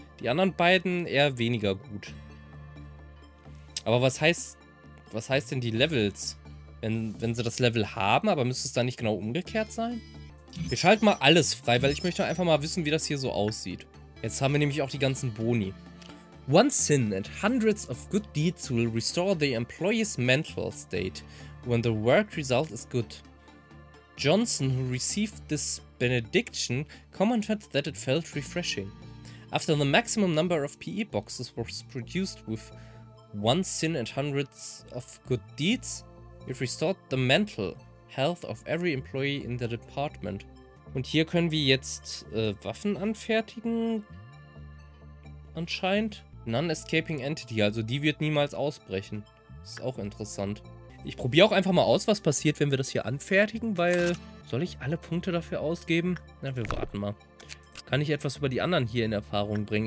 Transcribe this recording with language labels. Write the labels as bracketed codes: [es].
[de] Die anderen beiden eher weniger gut. Aber was heißt denn die Levels? Wenn sie das Level haben, aber müsste es dann nicht genau umgekehrt sein? Wir schalten mal alles frei, weil ich möchte einfach mal wissen, wie das hier so aussieht. Jetzt haben wir nämlich auch die ganzen Boni. [en] One sin and hundreds of good deeds will restore the employee's mental state when the work result is good. Johnson, who received this benediction, commented that it felt refreshing. After the maximum number of PE boxes was produced with one sin and hundreds of good deeds, it restored the mental health of every employee in the department. [de] Und hier können wir jetzt Waffen anfertigen, anscheinend. [en] Non-escaping entity, [de] also die wird niemals ausbrechen. Ist auch interessant. Ich probiere auch einfach mal aus, was passiert, wenn wir das hier anfertigen, weil... Soll ich alle Punkte dafür ausgeben? Na, wir warten mal. Kann ich etwas über die anderen hier in Erfahrung bringen?